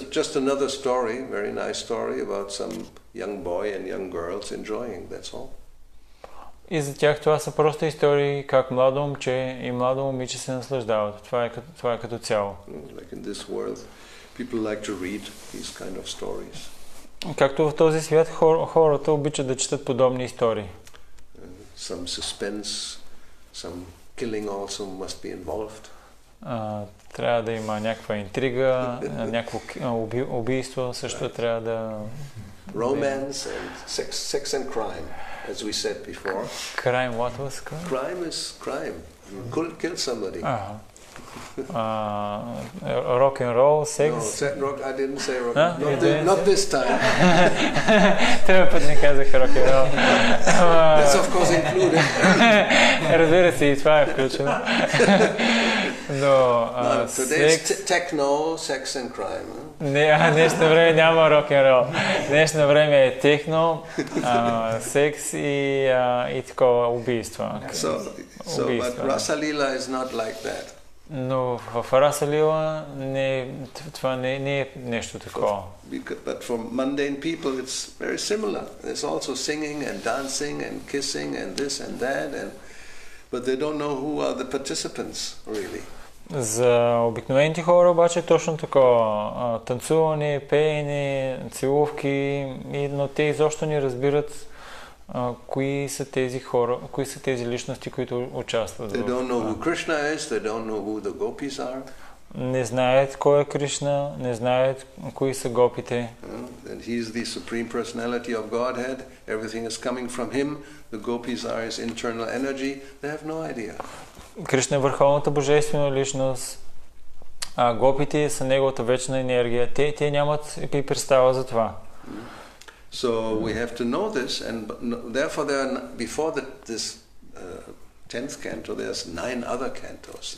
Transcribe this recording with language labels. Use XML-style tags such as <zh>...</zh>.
<en>Just another story, very nice story about some young boy and young girls enjoying, that's all.</en> <bg>И за тях това са просто истории, как младо момче и младо момиче се наслаждават. Това е като цяло.</bg> <en>Like in this world, people like to read these kind of stories.</en> <bg>Както в този свят хората обичат да четат подобни истории.</bg> <en>Some suspense, some killing also must be involved.</en> <bg>Трябва да има някаква интрига, някакво убийство също</bg> <en>right.</en> <bg>Трябва да...</bg> <en>Romance and sex and crime, as we said before. Crime, what was crime? Crime is crime. You kill somebody. Uh-huh. Rock and roll, sex. No, rock. I didn't say rock. Not this time.</en> <bg>Трябва път не казах rock and roll.</bg> <en>That's of course included.</en> <bg>Разбира се, и това е включено. Но</bg> <en>today's techno, sex and crime.</en> <bg>Не, днешно време няма rock and roll. Днешно време е техно, секс и такова убийство.</bg> <en>So, but Rasa Lila is not like that.</en> <bg>Но в Раса Лила не, това не е нещо такова.</bg> <en>But for mundane people it's very similar. There's also singing and dancing and kissing and this and that, and but they don't know who are the participants really.</en> <bg>За обикновените хора обаче е точно такова. Танцуване, пеене, целувки, но те изобщо не разбират кои са тези хора, кои са тези личности, които участват.</bg> <en>They don't know who Krishna is, they don't know who the gopis are.</en> <bg>Не знаят кой е Кришна, не знаят кои са гопите.</bg> <en>And he is the supreme personality of Godhead. Everything is coming from him. The gopis are his internal energy. They have no idea.</en> <bg>Кришна е върховната божествена личност. А гопите са неговата вечна енергия. Те нямат и представа за това.</bg> <en>So we have to know this, and therefore there are, before the, this 10th canto, there's 9 other cantos.</en>